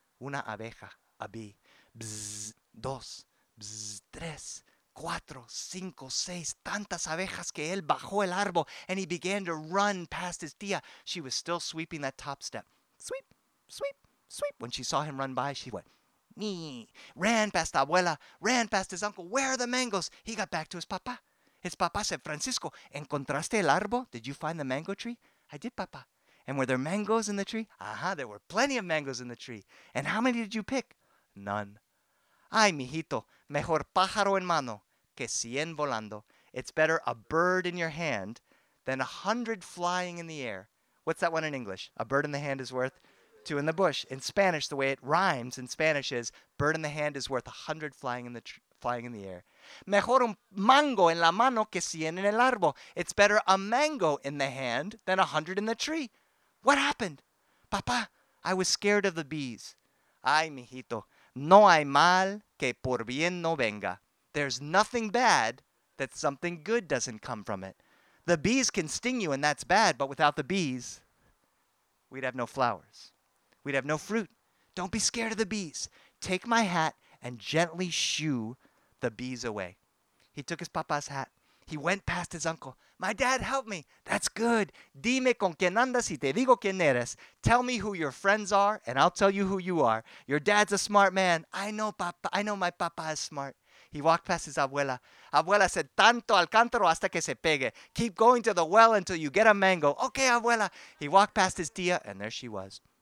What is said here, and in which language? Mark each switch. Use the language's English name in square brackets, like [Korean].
[Spanish] Una abeja, [English] a bee, [Spanish] bzz, dos, bzz, tres, cuatro, cinco, seis, tantas abejas que él bajó el árbol, [English] and he began to run past his tía. She was still sweeping that top step. Sweep, sweep, sweep. When she saw him run by, she went, nee, ran past abuela, ran past his uncle. Where are the mangoes? He got back to his papá. His papá said, Francisco, [Spanish] ¿encontraste el árbol? [English] Did you find the mango tree? I did, papá. And were there mangoes in the tree? Uh-huh, there were plenty of mangoes in the tree. And how many did you pick? None. [Spanish] Ay, mijito, mejor pájaro en mano que 100 volando. [English] It's better a bird in your hand than 100 flying in the air. What's that one in English? A bird in the hand is worth 2 in the bush. In Spanish, the way it rhymes in Spanish is, bird in the hand is worth 100 flying in the air. [Spanish] Mejor un mango en la mano que 100 en el árbol. [English] It's better a mango in the hand than 100 in the tree. What happened? Papa, I was scared of the bees. [Spanish] Ay, mijito, no hay mal que por bien no venga. [English] There's nothing bad that something good doesn't come from it. The bees can sting you and that's bad, but without the bees, we'd have no flowers. We'd have no fruit. Don't be scared of the bees. Take my hat and gently shoo the bees away. He took his papa's hat. He went past his uncle. My dad, help me. That's good. [Spanish] Dime con quién andas y te digo quién eres. [English] Tell me who your friends are, and I'll tell you who you are. Your dad's a smart man. I know, papa. I know my papa is smart. He walked past his abuela. Abuela said, [Spanish] tanto al cántaro hasta que se pegue. [English] Keep going to the well until you get a mango. Okay, abuela. He walked past his tía, and there she was.